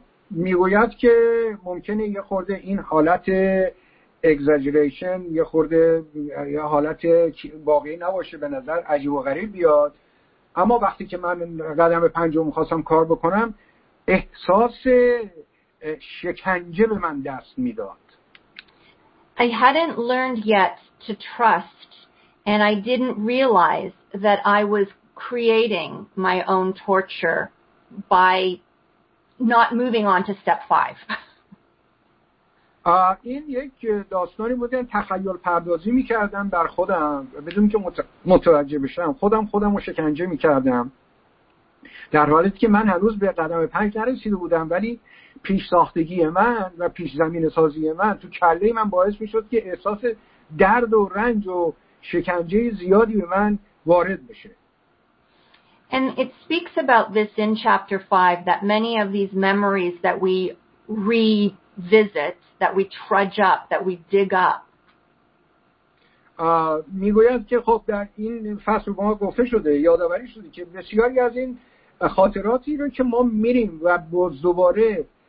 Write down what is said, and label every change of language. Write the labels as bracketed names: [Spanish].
[Persian] میگوید که ممکنه یه خورده این حالت exaggeration یه خورده یه حالت واقعی نباشه به نظر عجیب و غریب بیاد. اما وقتی که من قدم پنجم می‌خواستم کار بکنم احساس شکنجه به من دست می‌داد. [English] I hadn't learned yet to trust and I didn't realize that I was creating my own torture by not moving on to step 5. [Persian] این یک داستانی بود که تخیل پردازی می‌کردم بر خودم بدون اینکه متوجه بشم خودم رو شکنجه می‌کردم در حالی که من هنوز به قدم 5 نرسیده بودم ولی پیش ساختگی من و پیش زمینه سازی من تو کله من باعث می‌شد که احساس درد و رنج و شکنجه زیادی به من وارد بشه. [English] And it speaks about this in chapter 5 that many of these memories that we revisit that we trudge up, that we dig up. [Persian] میگویند که خب در این فصل ما گفته شده، یادآوری شده که بسیاری از این خاطراتی رو که ما میریم و باز دوباره